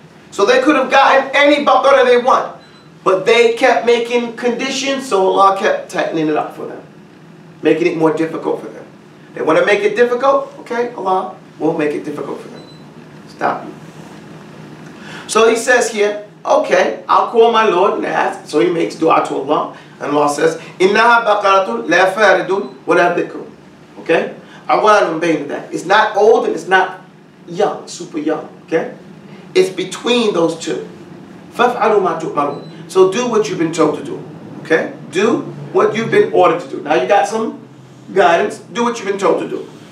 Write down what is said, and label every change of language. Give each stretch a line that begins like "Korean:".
English: So they could have gotten any baqarah they want. But they kept making conditions, so Allah kept tightening it up for them. Making it more difficult for them. They want to make it difficult? Okay, Allah will make it difficult for them. Stop. So he says here, okay, I'll call my Lord and ask. So he makes dua to Allah. And Allah says,
Arabic: إِنَّهَا بَقَرَةٌ لَا فَارِدٌ وَلَا بِكْرٌ.
English: Okay?
Arabic: عَوَانٌ بَيْنَ ذَلِكَ.
English: It's not old and it's not young, super young. Okay? It's between those two.
Arabic: فَفْعَلُوا مَا تُؤْمَرُونَ.
English: So do what you've been told to do, okay? Do what you've been ordered to do. Now you got some guidance. Do what you've been told to do.